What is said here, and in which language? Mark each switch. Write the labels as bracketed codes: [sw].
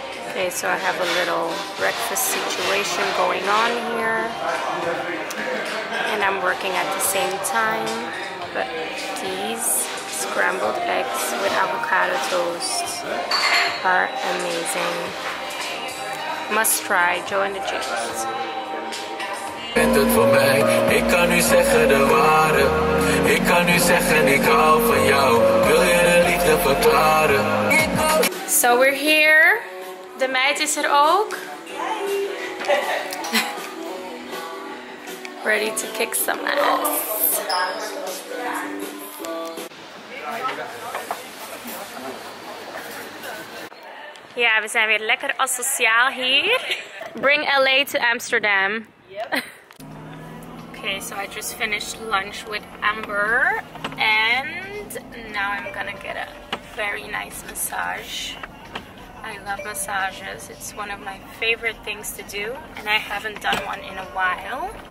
[en] Okay, so I have a little breakfast situation going on here, and I'm working at the same time. But these scrambled eggs with avocado toast are amazing. Must try. Join the Juice. [nl] Het voor mij, ik kan nu zeggen de ware. Ik kan nu zeggen ik hou van jou. Wil je de liefde verklaren? [en] So we're here. [nl] De meid is er ook. [en] Ready to kick some ass. [nl] Ja, we zijn weer lekker asociaal hier. [en] Bring LA to Amsterdam. Okay, so I just finished lunch with Amber. And now I'm gonna get a very nice massage. I love massages. It's one of my favorite things to do. And I haven't done one in a while.